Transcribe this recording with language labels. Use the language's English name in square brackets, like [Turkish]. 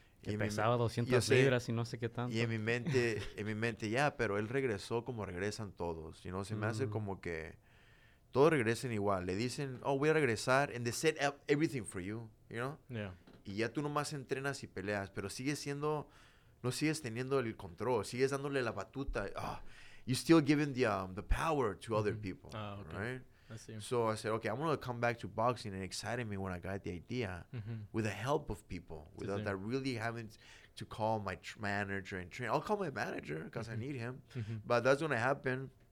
[Spanish] Que pesaba 200 libras y no sé qué tanto. Y en mi mente, ya, pero él regresó como regresan todos. You know, se me hace como que todos regresen igual. Le dicen, oh, voy a regresar, [English] and they set up everything for you, you know? Yeah. [Spanish] Y ya tú nomás entrenas y peleas, pero sigues teniendo el control, sigues dándole la batuta. [English] Oh, you're still giving the power to other people, right? I see. So I said, okay, I'm going to come back to boxing, and it excited me when I got the idea with the help of people, without that really having to call my manager and train. I'll call my manager because I need him. Mm-hmm. But that's going to happen.